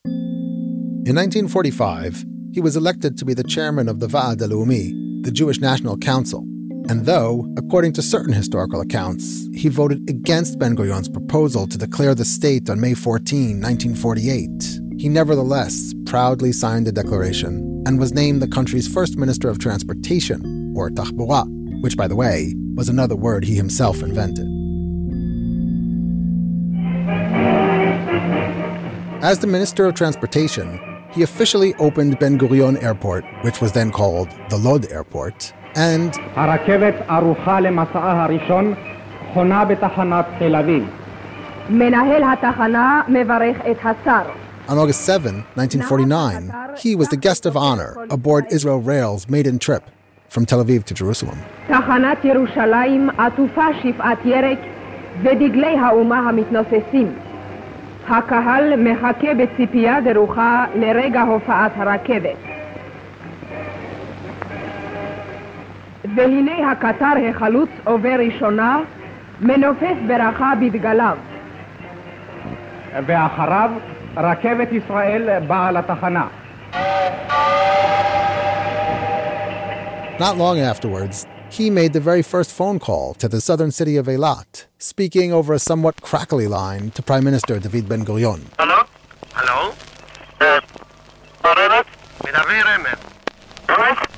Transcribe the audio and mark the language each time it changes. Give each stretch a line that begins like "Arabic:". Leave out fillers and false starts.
English: In 1945, he was elected to be the chairman of the Va'ad HaLeumi, the Jewish National Council, and though, according to certain historical accounts, he voted against Ben-Gurion's proposal to declare the state on May 14, 1948, he nevertheless proudly signed the declaration and was named the country's first Minister of Transportation, or Tachbura, which, by the way, was another word he himself invented. As the Minister of Transportation, he officially opened Ben-Gurion Airport, which was then called the Lod Airport, and
Hebrew: הרכבת ארוחה למסעה הראשון חונה בתחנת תל אביב. מנהל התחנה מברך את השר.
English: On August 7, 1949, he was the guest of honor aboard Israel Rail's maiden trip from Tel Aviv to Jerusalem.
Hebrew: תחנת ירושלים עטופה שפעת ירק ודגלי האומה המתנוססים. הקהל מחכה בציפייה דרוכה לרגע הופעת הרכבת. והנה הקטר החלוץ עובר ראשונה, מנופס ברכה בדגליו. ואחריו, רכבת ישראל באה לתחנה.
English: Not long afterwards, he made the very first phone call to the southern city of Eilat, speaking over a somewhat crackly line to Prime Minister David Ben-Gurion. Hello? Hello? David Remez. Hello?